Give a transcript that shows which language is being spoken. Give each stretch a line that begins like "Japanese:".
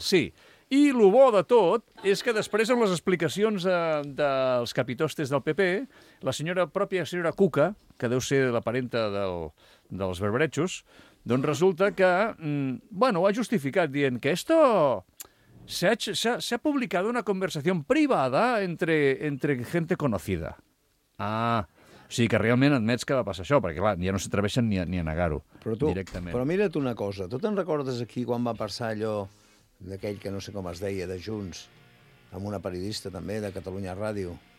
Catalan: Sí. I el bo de tot és que després, amb les explicacions dels capitostes del PP, la senyora pròpia, senyora Cuca, que deu ser la parenta dels berberetxos, doncs resulta que, bueno, ho ha justificat dient que esto...
Spanish: Se ha publicado una conversación privada entre gente conocida.
Catalan: Ah, sí, que realment admets que va passar això, perquè clar, ja no s'atreveixen ni a negar-ho directament. Però mira't una cosa, tu te'n recordes aquí quan va passar allò d'aquell que no sé com es deia, de Junts, amb una periodista també de Catalunya Ràdio?